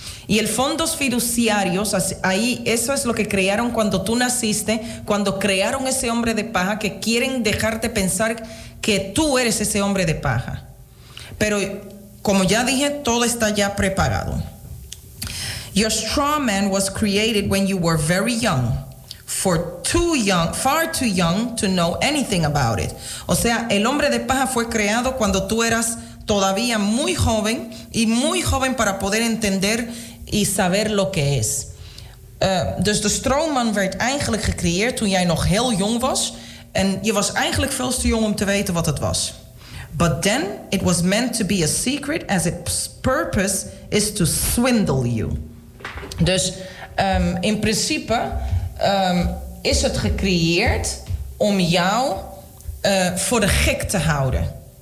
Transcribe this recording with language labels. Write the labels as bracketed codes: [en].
[es] Y el fondos fiduciarios, ahí eso es lo que crearon cuando tú naciste, cuando crearon ese hombre de paja que quieren dejarte pensar que tú eres ese hombre de paja. Pero como ya dije, todo está ya preparado. [en] Your straw man was created when you were very young. Far too young to know anything about it. [es] O sea, el hombre de paja fue creado cuando tú eras todavía muy joven y muy joven para poder entender y saber lo que es. [nl] Dus de stroomman werd eigenlijk gecreëerd toen jij nog heel jong was en je was eigenlijk veel te jong om te weten wat het was. [en] But then it was meant to be a secret as its purpose is to swindle you. [nl] Dus in principe is het gecreëerd om jou voor de gek te houden.